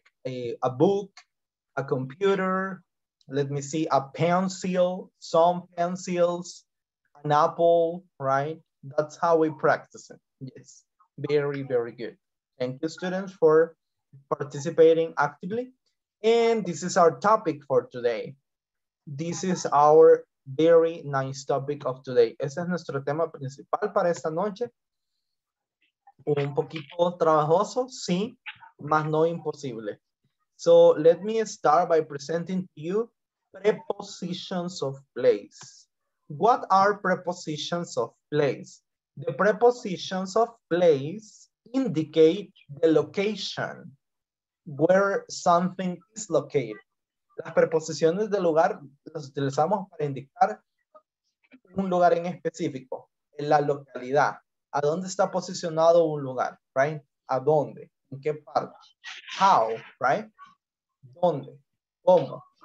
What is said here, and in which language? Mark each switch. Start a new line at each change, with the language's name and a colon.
English: Like a book, a computer, let me see, a pencil, some pencils, an apple, right? That's how we practice it. Yes, very, very good. Thank you, students, for participating actively. And this is our topic for today. This is our very nice topic of today.
Spanish: Ese es nuestro tema principal para esta noche. Un poquito trabajoso, sí, mas no imposible.
English: So let me start by presenting to you prepositions of place. What are prepositions of place? The prepositions of place indicate the location where something is located.
Spanish: Las preposiciones de lugar las utilizamos para indicar un lugar en específico, en la localidad. ¿A dónde está posicionado un lugar? Right? ¿A dónde? ¿En qué parte?
English: How? Right?
Spanish: ¿Dónde? ¿Cómo?